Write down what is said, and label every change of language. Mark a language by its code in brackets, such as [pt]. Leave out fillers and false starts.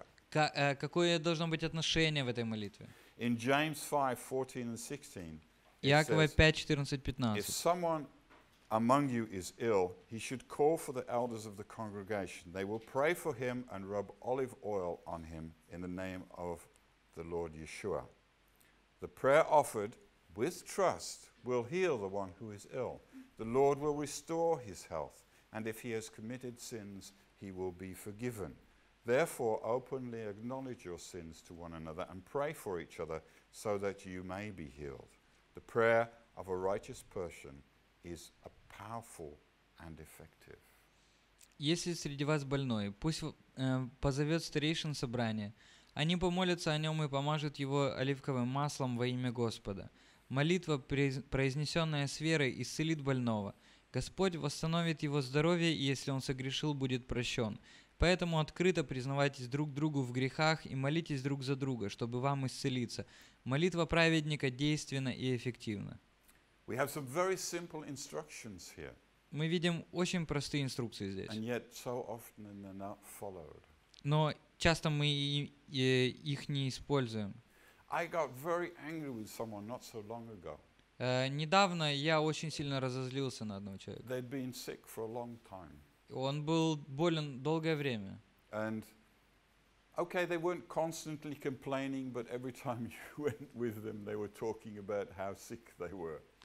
[ru] Какое должно быть отношение в этой молитве? [en] In James 5:14-16, [ru] Иакова 5:14-15. [en] If someone among you is ill, he should call for the elders of the congregation. They will pray for him and rub olive oil on him in the name of the Lord Yeshua. The prayer offered with trust will heal the one who is ill. The Lord will restore his health, and if he has committed sins, he will be forgiven. Therefore, openly acknowledge your sins to one another and pray for each other so that you may be healed. The prayer of a righteous person is a powerful and effective. [ru] Если среди вас больной, пусть позовет старейшин собрания. Они помолятся о нем и помажут его оливковым маслом во имя Господа. Молитва, произнесенная с верой, исцелит больного. Господь восстановит его здоровье, и если он согрешил, будет прощен. Поэтому открыто признавайтесь друг другу в грехах и молитесь друг за друга, чтобы вам исцелиться. Молитва праведника действенна и эффективна. [en] We have some very simple instructions here. [ru] Мы видим очень простые инструкции здесь. [en] And yet so often they're not followed. [ru] Но часто мы их не используем. [en] I got very angry with someone not so long ago. [ru] Недавно я очень сильно разозлился на одного человека. [en] They'd been sick for a long time. [ru] Он был болен долгое время. [en] And okay, they weren't constantly complaining, but every time you went with them, they were talking about how sick they were.